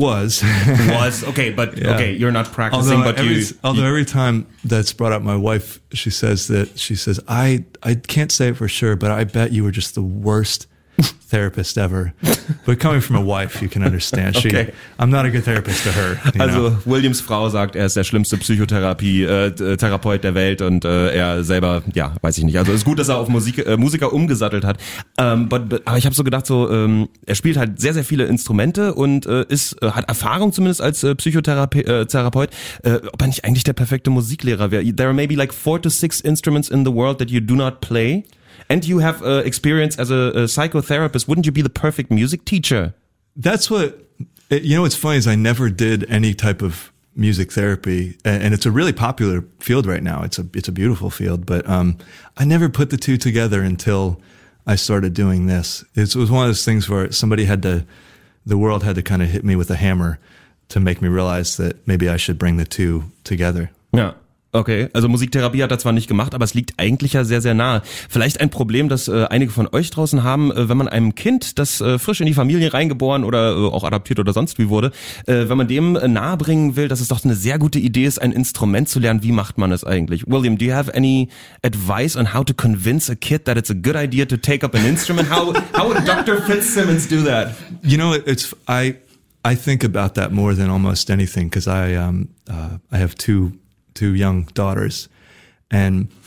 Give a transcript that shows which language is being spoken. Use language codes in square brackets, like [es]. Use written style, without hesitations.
[en] Was. Was. Okay. But yeah. okay. You're not practicing, although but every, you. Although you, every time that's brought up, my wife, she says, I can't say it for sure, but I bet you were just the worst therapist ever. But coming from a wife, you can understand. She, okay. I'm not a good therapist to her. Also, know? [de] Williams Frau sagt, er ist der schlimmste Therapeut der Welt und er selber, ja, weiß ich nicht. Also, es ist gut, dass er auf Musiker umgesattelt hat. Aber ich habe so gedacht, er spielt halt sehr, sehr viele Instrumente und hat Erfahrung zumindest als Psychotherapeut. Ob er nicht eigentlich der perfekte Musiklehrer wäre? [en] There are maybe like 4 to 6 instruments in the world that you do not play. And you have experience as a psychotherapist. Wouldn't you be the perfect music teacher? That's what, you know, what's funny is I never did any type of music therapy. And it's a really popular field right now. It's a beautiful field. But I never put the two together until I started doing this. It was one of those things where somebody had to, the world had to kind of hit me with a hammer to make me realize that maybe I should bring the two together. Yeah. [de] Okay, also Musiktherapie hat er zwar nicht gemacht, aber es liegt eigentlich ja sehr, sehr nahe. Vielleicht ein Problem, das einige von euch draußen haben, wenn man einem Kind, das frisch in die Familie reingeboren oder auch adaptiert oder sonst wie wurde, wenn man dem nahebringen will, dass es doch eine sehr gute Idee ist, ein Instrument zu lernen, wie macht man es eigentlich? [en] William, do you have any advice on how to convince a kid that it's a good idea to take up an instrument? How would Dr. Fitzsimmons do that? You know, I think about that more than almost anything, because I have two young daughters and